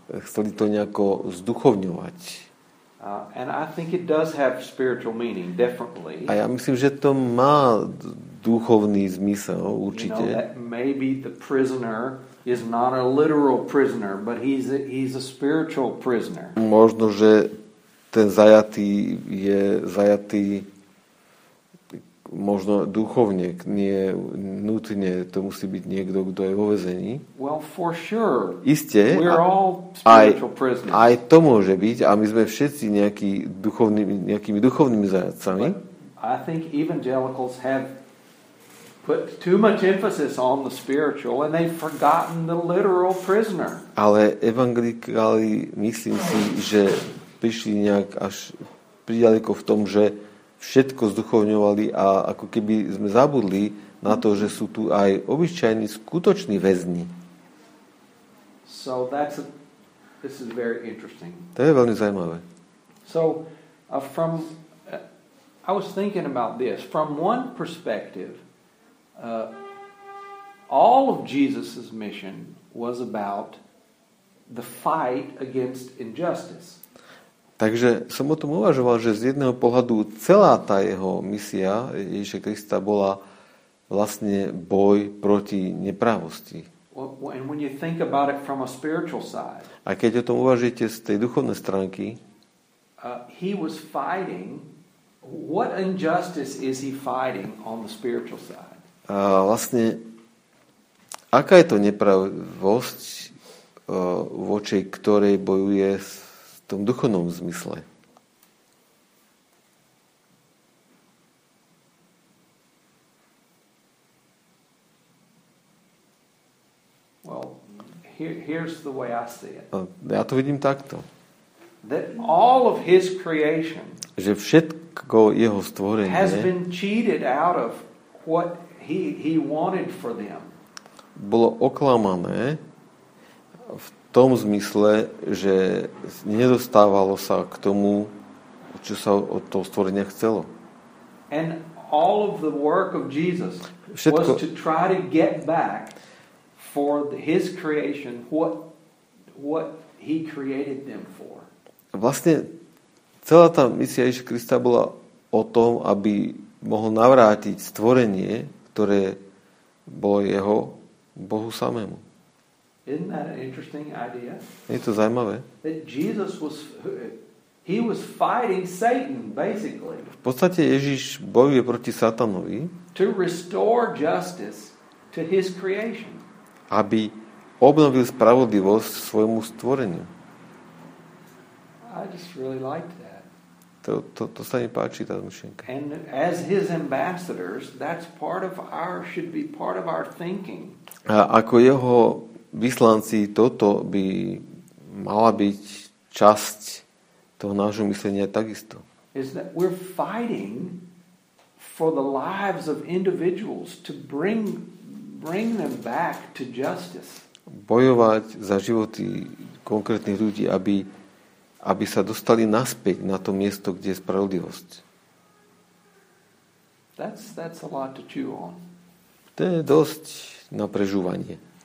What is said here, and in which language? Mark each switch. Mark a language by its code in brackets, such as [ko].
[sk] Chceli to nejako zduchovňovať. [en] And I think it does have spiritual meaning, definitely. [sk] A ja myslím, že to má duchovný zmysel, určite. [en] You know, maybe the prisoner is not a literal prisoner, but he's a spiritual prisoner. [sk] Možno, že ten zajatý je zajatý možno duchovne, nie nutne to musí byť niekto, kto je vo väzení. [en] Well, for sure. [sk] Iste. [en] We're all spiritual prisoners. [sk] Aj to môže byť, a my sme všetci nejakými duchovnými zajatcami. [en] I think evangelicals have put too much emphasis on the spiritual and they've forgotten the literal prisoner. [sk] Ale evangelikáli, myslím si, že prišli nejak až príďaleko v tom, že všetko zduchovňovali a ako keby sme zabudli na to, že sú tu aj obyčajní skutoční väzni. [en] So that's this is very interesting. [sk] To je veľmi zaujímavé. [en] So from I was thinking about this from one perspective. All of Jesus's mission was about the fight against injustice. [sk] Takže som o tom uvažoval, že z jedného pohľadu celá tá jeho misia Ježiša Krista bola vlastne boj proti nepravosti. [en] And when you think about it from a spiritual side, [sk] a keď o tom uvažujete z tej duchovnej stránky, [en] he was fighting, what injustice is he fighting on the spiritual side? [sk] A vlastne, aká je to nepravosť, voči ktorej bojuje v tom duchovnom zmysle. [en] Well, here's the way I see it. [sk] Ja to vidím takto. [en] That all of his creation, [sk] že všetko jeho stvorenie [en] has been cheated out of what he wanted for them. [sk] Bolo oklamané v tom zmysle, že nedostávalo sa k tomu, čo sa od toho stvorenia chcelo. [en] And all of the work of Jesus was to try to get back for his creation what he created them for. [sk] Vlastne celá tá misia Ježiša Krista bola o tom, aby mohol navrátiť stvorenie, ktoré bolo jeho Bohu samému. [en] Isn't that an interesting idea? [sk] Je to zaujímavé. [en] That Jesus was he was fighting Satan basically. [sk] V podstate Ježiš bojuje proti Satanovi. [en] To restore justice to his creation. [sk] Aby obnovil spravodlivosť svojmu stvoreniu. [en] I just really liked that. [sk] To sa mi páči, tá myšlienka. [en] And as his ambassadors, that's part of our should be part of our thinking. [sk] A ako jeho vyslanci, toto by mala byť časť toho nášho myslenia takisto. [en] Is that we're fighting for the lives of individuals to bring them back to justice. [sk] Bojovať za životy konkrétnych ľudí, aby sa dostali naspäť na to miesto, kde je spravodlivosť. [en] That's a lot to chew on. [sk] To je dosť na prežúvanie.